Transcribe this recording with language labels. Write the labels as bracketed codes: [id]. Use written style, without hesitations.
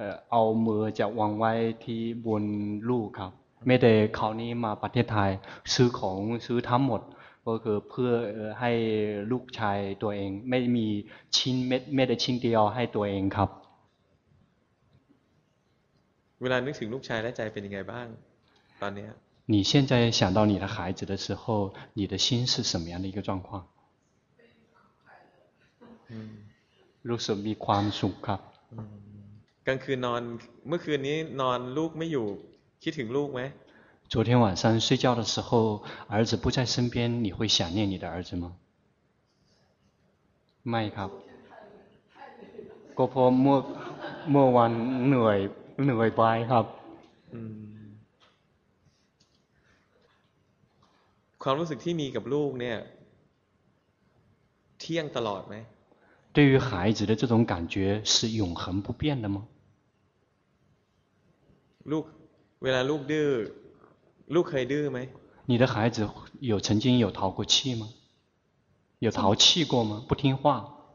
[th] เอามือจะวางไว้ที่บนลูกครับไม่ได้คราวนี้มาประเทศไทยซื้อของซื้อทั้งหมดก็คือเพื่อให้ลูกชายตัวเองไม่มีชิ้นเม็ดไม่ได้ชิ้นเดียวให้ตัวเองครับ เวลานึกถึงลูกชายและใจเป็นยังไงบ้างตอนนี้ [zh] 你现在想到你的孩子的时候你的心是什么样的一个状况 [th] รู้สึกมีความสุขครับ กลางคืนนอนเมื่อคืนนี้นอนลูกไม่อยู่คิดถึงลูกไหม [zh] 昨天晚上睡觉的时候儿子不在身边你会想念你的儿子吗 [th] ไม่ครับก็เพราะเมื่อวันเหนื่อยไปครับ ความรู้สึกที่มีกับลูกเนี่ยเที่ยงตลอดไหม [zh] 对于孩子的这种感觉是永恒不变的吗 [th] ลูกเวลาลูกดื้อลูกเคยดื้อไ [zh] หม你的孩子有曾经有淘过气吗有淘气过吗不听话